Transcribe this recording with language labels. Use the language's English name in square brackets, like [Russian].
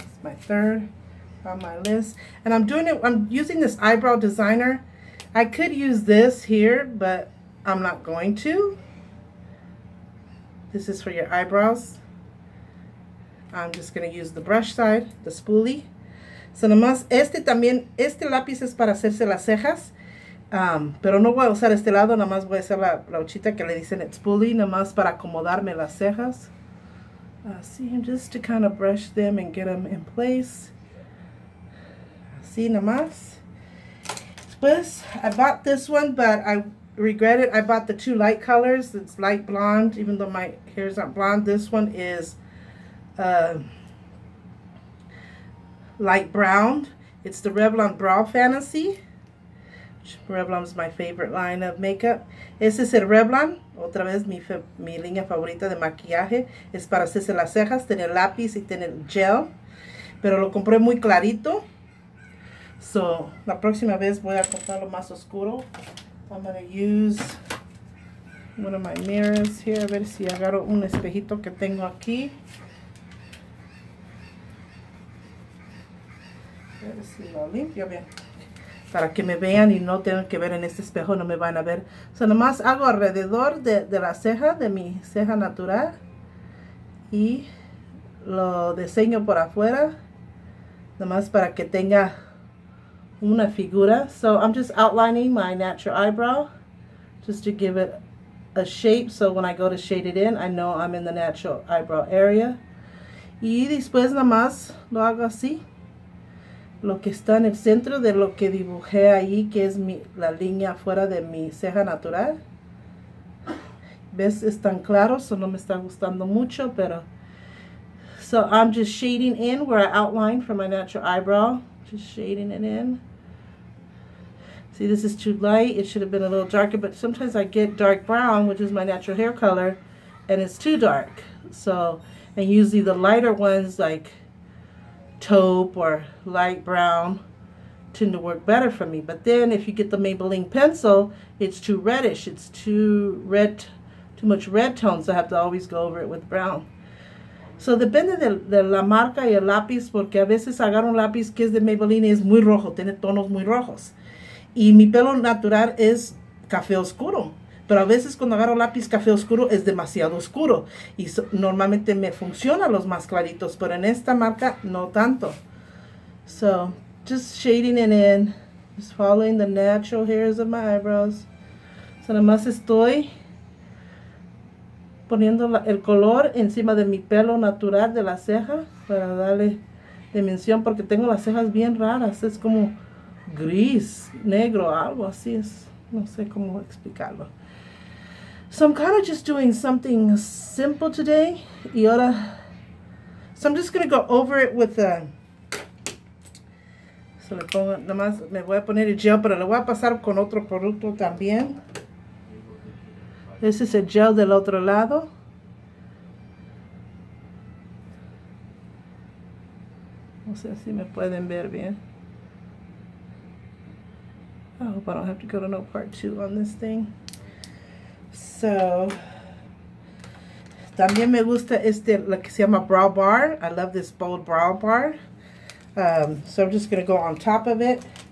[English] My third on my list, and I'm doing it. I'm using this eyebrow designer. I could use this here, but I'm not going to. This is for your eyebrows. I'm just going to use the brush side, the spoolie. [Spanish] So, nomás este también, este lápiz es para hacerse las cejas. Pero no voy a usar este lado, nomás voy a hacer la brochita que le dicen el spoolie, nomás para acomodarme las cejas. [English] See, just to kind of brush them and get them in place. See, namas. Pues, I bought this one, but I regret it. I bought the two light colors. It's light blonde, even though my hair is not blonde. This one is light brown. It's the Revlon Brow Fantasy. Revlon's my favorite line of makeup. [Spanish] Ese es el Revlon. Otra vez, mi línea favorita de maquillaje. Es para hacerse las cejas, tener lápiz y tener gel. Pero lo compré muy clarito. So, la próxima vez voy a comprarlo más oscuro. [English] I'm going to use one of my mirrors here. [Spanish] A ver si agarro un espejito que tengo aquí. A ver si lo limpio bien. Para que me vean y no tengan que ver en este espejo, no me van a ver. So, nomás hago alrededor de la ceja, de mi ceja natural. Y lo diseño por afuera. Nomás para que tenga una figura. [English] So, I'm just outlining my natural eyebrow. Just to give it a shape. So, when I go to shade it in, I know I'm in the natural eyebrow area. [Spanish] Y después nomás lo hago así. Lo que está en el centro de lo que dibujé ahí, que es la línea afuera de mi ceja natural. ¿Ves? Es tan claro, so no me está gustando mucho, pero... [English] So I'm just shading in where I outlined for my natural eyebrow. Just shading it in. See, this is too light. It should have been a little darker, but sometimes I get dark brown, which is my natural hair color, and it's too dark. So, and usually the lighter ones, like... taupe or light brown tend to work better for me. But then if you get the Maybelline pencil, it's too reddish. It's too red, too much red tone, so I have to always go over it with brown. [Spanish] So depende de la marca y el lápiz, porque a veces agarro un lápiz que es de Maybelline y es muy rojo, tiene tonos muy rojos. Y mi pelo natural es café oscuro. Pero a veces cuando agarro lápiz café oscuro es demasiado oscuro. Y normalmente me funcionan los más claritos, pero en esta marca no tanto. [English] So, just shading it in. Just following the natural hairs of my eyebrows. [Spanish] So, nada más estoy poniendo el color encima de mi pelo natural de la ceja para darle dimensión, porque tengo las cejas bien raras. Es como gris, negro, algo así. Es, no sé cómo explicarlo. [English] So I'm kind of just doing something simple today. [Spanish] Y ahora, [English] so I'm just going to go over it with a... So [Spanish] le pongo, nomás me voy a poner el gel, pero le voy a pasar con otro producto también. [English] This is a gel [Spanish] del otro lado. No sé si me pueden ver bien. [English] I hope I don't have to go to no part two on this thing. [Spanish] So, también me gusta este, lo que se llama brow bar. [English] I love this bold brow bar. So I'm just going to go on top of it.